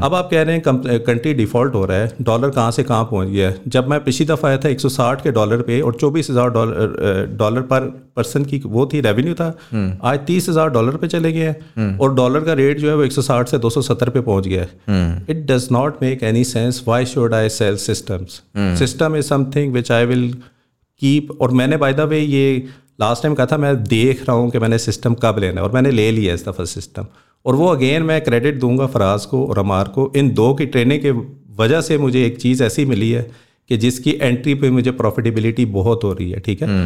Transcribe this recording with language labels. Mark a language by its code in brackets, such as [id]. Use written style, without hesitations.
[ur] اب آپ کہہ رہے ہیں کنٹری ڈیفالٹ ہو رہا ہے، ڈالر کہاں سے کہاں پہنچ گیا ہے. جب میں پچھلی دفعہ آیا تھا 160 کے ڈالر پہ اور 24,000 ڈالر پر پرسن کی وہ تھی ریونیو تھا، آج 30,000 ڈالر پہ چلے گئے ہیں اور ڈالر کا ریٹ جو ہے وہ 160 سے 270 پہ پہنچ گیا ہے. [en] It does not make any sense. Why should I sell systems? System is something which I will keep. [ur] اور میں نے بائی دا وے یہ لاسٹ ٹائم کہا تھا میں دیکھ رہا ہوں کہ میں نے سسٹم کب لینا ہے، اور میں نے لے لیا اس دفعہ سسٹم. اور وہ اگین میں کریڈٹ دوں گا فراز کو اور عمار کو، ان دو کی ٹریننگ کے وجہ سے مجھے ایک چیز ایسی ملی ہے کہ جس کی انٹری پہ مجھے پروفیٹیبلٹی بہت ہو رہی ہے، ٹھیک ہے.